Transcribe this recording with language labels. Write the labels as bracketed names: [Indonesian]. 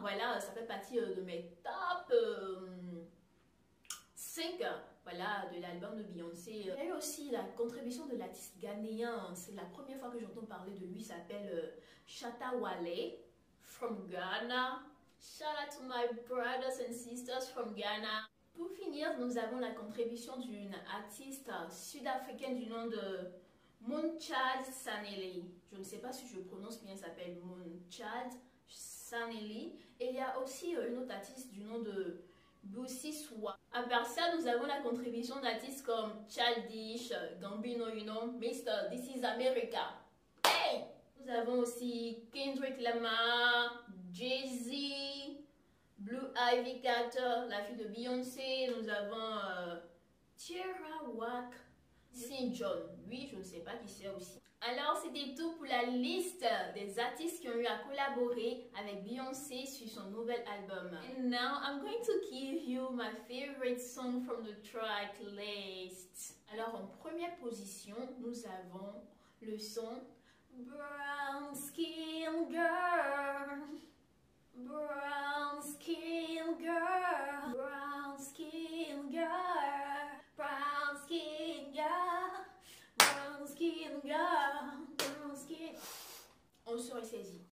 [French] Voilà, ça fait partie de mes top 5, voilà, de l'album de Beyoncé. Il y a eu aussi la contribution de l'artiste ghanéen. C'est la première fois que j'entends parler de lui. Il s'appelle Chata Wale, [English] from Ghana. Shout out to my brothers and sisters from Ghana. [French] Pour finir, nous avons la contribution d'une artiste sud-africaine du nom de Moonchild Sanelly. Je ne sais pas si je prononce bien, elle s'appelle Moonchild Sanelly. Et il y a aussi une autre artiste du nom de Boussi Soua. À part ça, nous avons la contribution d'artistes comme Childish, Gambino, [English] you know, Mr. This is America. Hey! [French] Nous avons aussi Kendrick Lamar, Jay-Z, Blue Ivy Carter, la fille de Beyoncé. Nous avons Tierra Whack, Saint John. Oui, je ne sais pas qui c'est aussi. Alors, c'était tout pour la liste des artistes qui ont eu à collaborer avec Beyoncé sur son nouvel album. [English] And now, I'm going to give you my favorite song from the track list. [French] Alors, en première position, nous avons le son Brown Skin Girl. [English] Brown skin girl, brown skin girl, brown skin girl, brown skin girl, brown skin. [French] On se ressaisit.